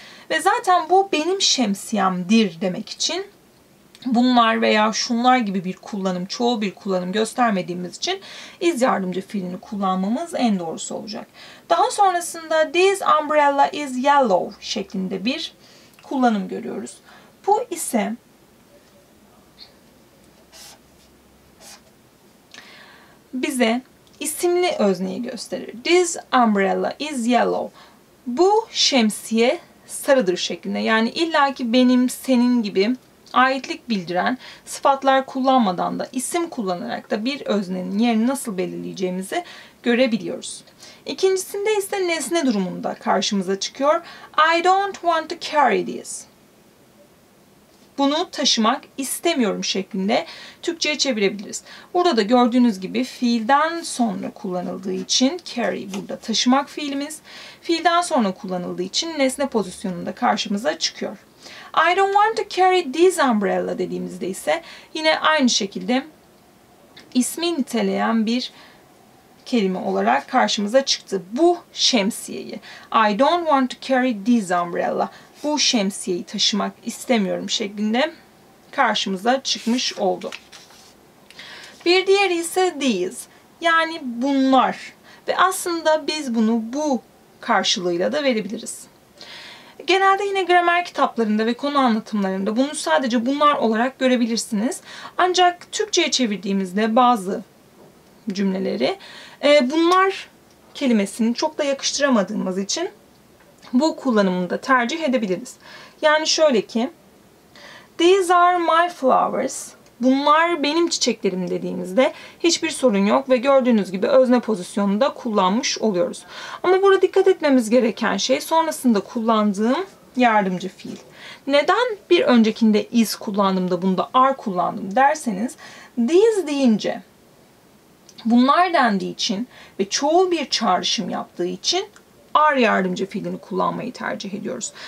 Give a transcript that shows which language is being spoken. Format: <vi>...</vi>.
<tr>Ve zaten bu benim şemsiyemdir demek için bunlar veya şunlar gibi bir kullanım, çoğu bir kullanım göstermediğimiz için is yardımcı fiilini kullanmamız en doğrusu olacak. Daha sonrasında</tr> <en>this umbrella is yellow</en> <tr>şeklinde bir kullanım görüyoruz. Bu ise bize isimli özneyi gösterir.</tr> <en>This umbrella is yellow.</en> <tr>Bu şemsiye sarıdır şeklinde. Yani illaki benim, senin gibi aitlik bildiren sıfatlar kullanmadan da isim kullanarak da bir öznenin yerini nasıl belirleyeceğimizi görebiliyoruz. İkincisinde ise nesne durumunda karşımıza çıkıyor.</tr> <en>I don't want to carry this.</en> <tr>Bunu taşımak istemiyorum şeklinde Türkçe'ye çevirebiliriz. Burada da gördüğünüz gibi fiilden sonra kullanıldığı için carry burada taşımak fiilimiz. Fiilden sonra kullanıldığı için nesne pozisyonunda karşımıza çıkıyor.</tr> <en>I don't want to carry this umbrella</en> <tr>dediğimizde ise yine aynı şekilde ismi niteleyen bir kelime olarak karşımıza çıktı. Bu şemsiyeyi.</tr> <en>I don't want to carry this umbrella.</en> <tr>Bu şemsiyeyi taşımak istemiyorum şeklinde karşımıza çıkmış oldu. Bir diğeri ise these. Yani bunlar. Ve aslında biz bunu bu karşılığıyla da verebiliriz. Genelde yine gramer kitaplarında ve konu anlatımlarında bunu sadece bunlar olarak görebilirsiniz. Ancak Türkçe'ye çevirdiğimizde bazı cümleleri bunlar kelimesini çok da yakıştıramadığımız için bu kullanımını da tercih edebiliriz. Yani şöyle ki,</tr> <en>these are my flowers.</en> <tr>Bunlar benim çiçeklerim dediğimizde hiçbir sorun yok ve gördüğünüz gibi özne pozisyonunda kullanmış oluyoruz. Ama burada dikkat etmemiz gereken şey sonrasında kullandığım yardımcı fiil. Neden bir öncekinde is kullandım da bunda are kullandım derseniz, these deyince, bunlar dendiği için ve çoğul bir çağrışım yaptığı için are yardımcı fiilini kullanmayı tercih ediyoruz.</tr>